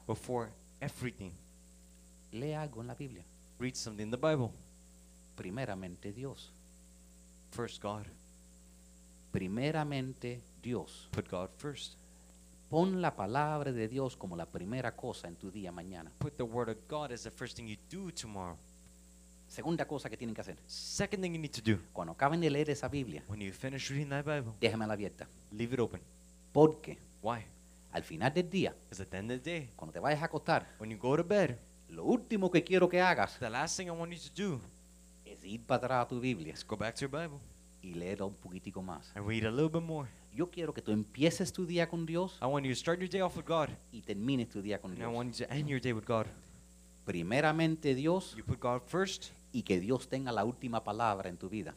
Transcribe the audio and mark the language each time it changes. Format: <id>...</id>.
<en>before everything,</en> <es>lee algo en la Biblia.</es> <en>Read something in the Bible.</en> <es>Primeramente Dios.</es> <en>First God.</en> <es>Primeramente Dios.</es> <en>Put God first.</en> <es>Pon la palabra de Dios como la primera cosa en tu día mañana.</es> <en>Put the word of God as the first thing you do tomorrow.</en> <es>Segunda cosa que tienen que hacer.</es> <en>Second thing you need to do.</en> <es>Cuando acaben de leer esa Biblia.</es> <en>When you finish reading that Bible.</en> <es>Déjamela abierta.</es> <en>Leave it open.</en> <es>¿Por qué?</es> <en>Why?</en> <es>Al final del día.</es> <en>It's at the end of the day.</en> <es>Cuando te vayas a acostar.</es> <en>When you go to bed.</en> <es>Lo último que quiero que hagas.</es> <en>The last thing I want you to do.</en> <es>Es ir para atrás a tu Biblia.</es> <en>Go back to your Bible.</en> <es>Y leer un poquitico más.</es> <en>And read a little bit more.</en> <es>Yo quiero que tú empieces tu día con Dios.</es> <en>I want you to start your day off with God.</en> <es>Y termines tu día con</es> <en>and</en> <es>Dios.</es> <en>I want you to end your day with God.</en> <es>Primeramente Dios.</es> <en>You put God first.</en> <es>Y que Dios tenga la última palabra en tu vida.</es>